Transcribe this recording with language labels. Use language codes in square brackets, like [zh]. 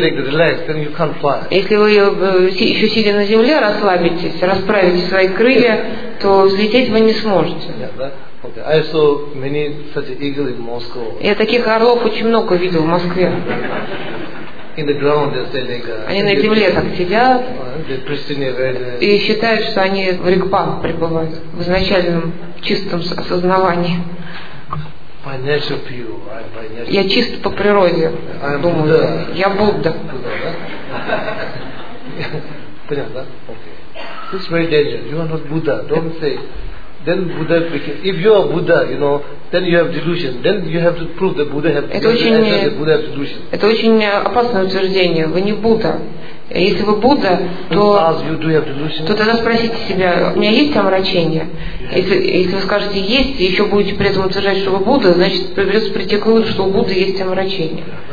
[ru] Если вы еще сидя на земле, расслабитесь, расправите свои крылья, то взлететь вы не сможете. [en] I saw many such eagles in Moscow. [ru] Я таких орлов очень много видел в Москве. [en] In the ground they're standing. [ru] Они на земле так сидят. [en] They're pristine, very nice. [ru] И считают, что они в ригпах пребывают, в изначальном чистом осознавании. [en] By nature pure. [ru] Я чист по природе. [en] I'm [ru] думаю, [en] Buddha. [ru] Я Будда. Понятно, да? [en] Okay. This is very dangerous. You are not Buddha. Don't say. Then Buddha became. If you are Buddha, you know, then you have delusion. Then you have to prove that Buddha has. [ru] Это очень. Это очень опасное утверждение. Вы не Будда. Если вы Будда, то. То тогда спросите себя, у меня есть омрачение? Если вы скажете есть, и еще будете при этом утверждать, что вы Будда, значит придется прийти к выводу, что у Будды есть омрачение.